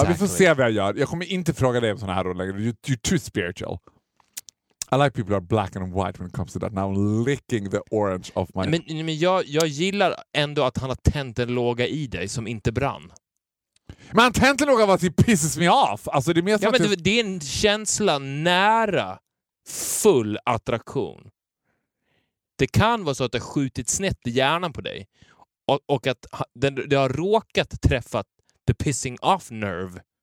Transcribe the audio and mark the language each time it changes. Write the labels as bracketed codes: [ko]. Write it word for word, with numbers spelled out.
[sv] Ja, vi får se vad jag gör. Jag kommer inte fråga dig om sådana här ord längre. [en] You're too spiritual. I like people who are black and white when it comes to that. Now I'm licking the orange off my... [sv] Men, men jag, jag gillar ändå att han har tänt en låga i dig som inte brann. Men han tänt en låga var att det [en] pisses me off. [sv] Alltså, det, är mer ja, men det, det är en känsla nära full attraktion. Det kan vara så att det har skjutit snett i hjärnan på dig. Och, och att det har råkat träffa [en] the pissing off nerve.